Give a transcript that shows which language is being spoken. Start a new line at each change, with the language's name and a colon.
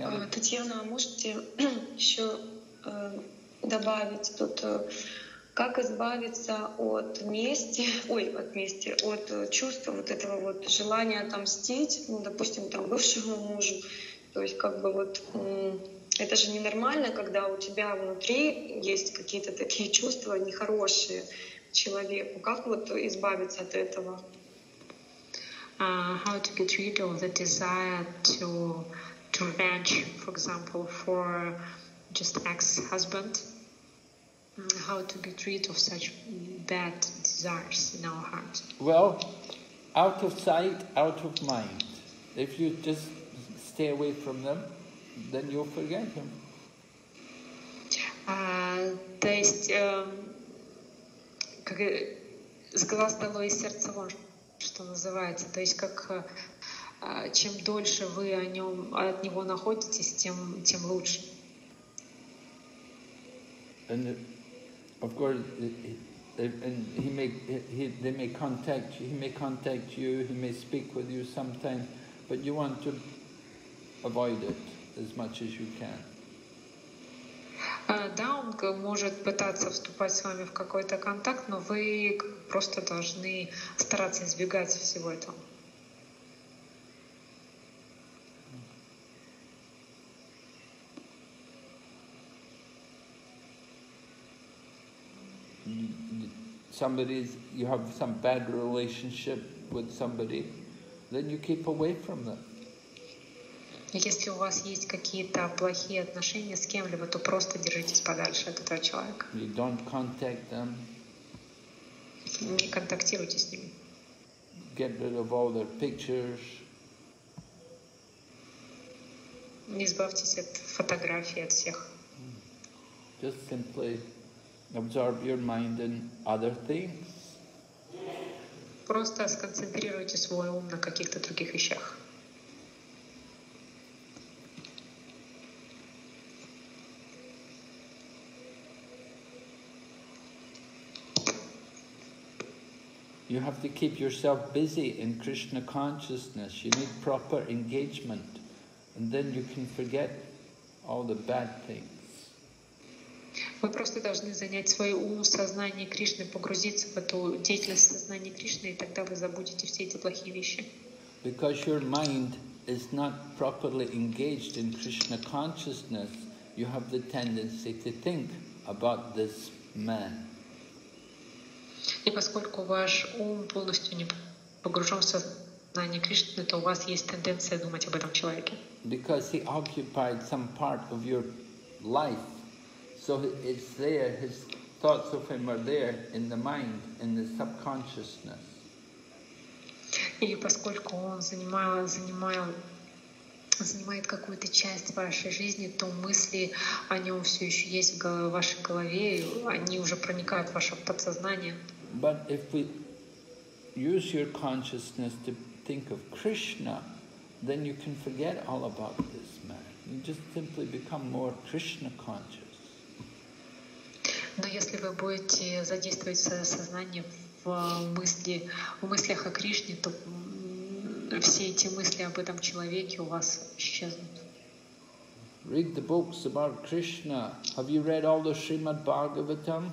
Russian: Татьяна, а можете еще добавить тут, как избавиться от мести, от чувства вот этого вот желания отомстить, ну, допустим, там, бывшему мужу, то есть как бы вот это же ненормально, когда у тебя внутри есть какие-то такие чувства нехорошие человеку, как вот избавиться от этого?
English: How to get rid of the desire to revenge, for example, for just ex-husband, how to get rid of such bad desires in our heart? Well, out of sight, out of mind. If you just stay away from them, then you'll forget him.
Russian: То есть, как с глаз долой из сердца вон, что называется, то есть как чем дольше вы о нем, от него находитесь, тем лучше.
English: And of course, he may contact you, he may speak with you sometimes, but you want to avoid it as much as you can.
Russian: Да, он может пытаться вступать с вами в какой-то контакт, но вы просто должны стараться избегать всего этого.
English: Yes. somebody's, you have some bad relationship with somebody, then you keep away from them.
Russian: Если у вас есть какие-то плохие отношения с кем-либо, то просто держитесь подальше от этого человека.
English: You don't contact them.
Russian: Не контактируйте с ними.
English: Get rid of all their pictures.
Russian: Не избавьтесь от фотографий от всех.
English: Just simply absorb your mind in other things.
Russian: Просто сконцентрируйте свой ум на каких-то других вещах.
English: You have to keep yourself busy in Krishna consciousness. You need proper engagement, and then you can forget all the bad things.
Russian: Вы просто должны занять свой ум сознание Кришны, погрузиться в эту деятельность сознания Кришны, и тогда вы забудете все эти плохие вещи.
English: Because your mind is not properly engaged in Krishna consciousness, you have the tendency to think about this man.
Russian: И поскольку ваш ум полностью не погружен в сознание Кришны, то у вас есть тенденция думать об этом человеке.
English: Because he occupied some part of your life, so it's there, his thoughts of him are there in the mind, in the subconsciousness.
Russian: И поскольку он занимает какую-то часть вашей жизни, то мысли о нем все еще есть в вашей голове, они уже проникают в ваше подсознание.
English: But if we use your consciousness to think of Krishna, then you can forget all about this man. You just simply become more Krishna conscious.
Russian: Но если вы будете задействовать свое сознание в мыслях о Кришне, то все эти мысли об этом человеке у вас исчезнут.
English: Read the books about Krishna. Have you read all the Srimad Bhagavatam?